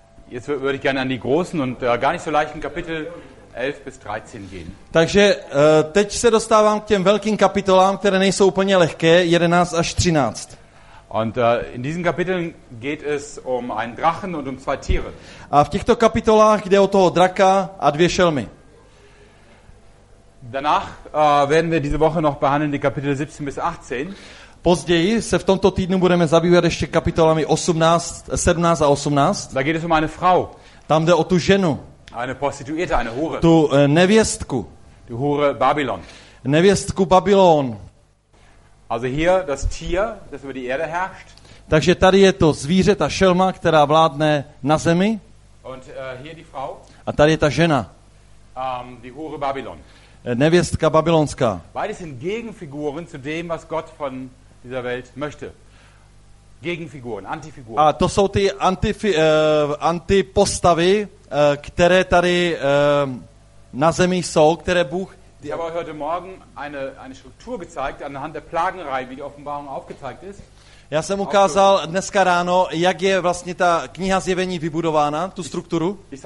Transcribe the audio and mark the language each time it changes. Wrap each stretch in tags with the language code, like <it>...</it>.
<de>Jetzt würde ich gerne an die Großen und gar nicht so leichten Kapitel 11 bis 13 gehen.</de> <cs>Takže teď se dostávám k těm velkým kapitolám, které nejsou úplně lehké, 11 až 13.</cs> <de>Und in diesen Kapiteln geht es um einen Drachen und um zwei Tiere.</de> <cs>A v těchto kapitolách jde o toho draka a dvě šelmy.</cs> <de>Danach werden wir diese Woche noch behandeln die Kapitel 17 bis 18.</de> <cs>Později se v tomto týdnu budeme zabývat ještě kapitolami 18, 17 a 18.</cs> <de>Da geht es um eine Frau.</de> <cs>Tam jde o tu ženu.</cs> <de>Eine Prostituierte, eine Hure.</de> <cs>Tu nevěstku.</cs> <de>Die Hure Babylon.</de> <cs>Nevěstku Babylon.</cs> <de>Also hier das Tier, das über die Erde herrscht.</de> <cs>Takže tady je to zvíře, ta šelma, která vládne na zemi.</cs> <de>Und hier die Frau.</de> <cs>A tady je ta žena.</cs> <de>Die Hure Babylon.</de> <cs>Nevěstka babylonská.</cs> <de>Beides sind Gegenfiguren zu dem, was Gott von dieser Welt möchte. Gegenfiguren, Antifiguren.</de> <cs>A to jsou ty antipostavy, které tady na zemi jsou, které Bůh...</cs> <de>Ich habe heute Morgen eine Struktur gezeigt, anhand der Plagenreihe, wie die Offenbarung aufgezeigt ist.</de> <cs>Já jsem ukázal dneska ráno, jak je vlastně ta kniha zjevení vybudována, tu strukturu.</cs>